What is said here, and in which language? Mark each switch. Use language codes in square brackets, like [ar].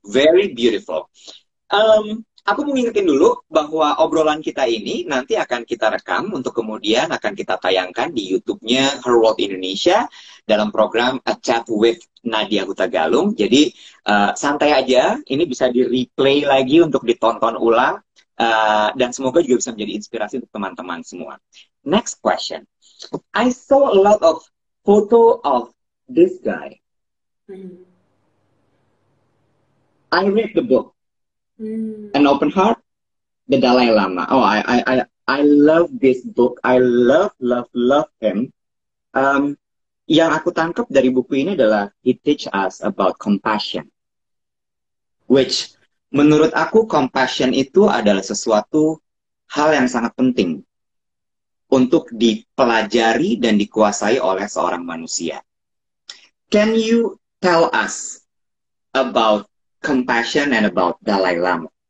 [id] Very beautiful. Aku mau ngingetin dulu bahwa obrolan kita ini nanti akan kita rekam untuk kemudian akan kita tayangkan di YouTube-nya Her World Indonesia dalam program A Chat with Nadya Hutagalung. Jadi santai aja, ini bisa di-replay lagi untuk ditonton ulang. Dan semoga juga bisa menjadi inspirasi untuk teman-teman semua. [en] Next question. I saw a lot of photo of this guy. I read the book. An Open Heart, The Dalai Lama. Oh, I love this book. I love him. [id] Yang aku tangkap dari buku ini adalah [en] he teach us about compassion. [id] Which menurut aku, compassion itu adalah sesuatu hal yang sangat penting untuk dipelajari dan dikuasai oleh seorang manusia. [en] Can you tell us about compassion and about Dalai Lama?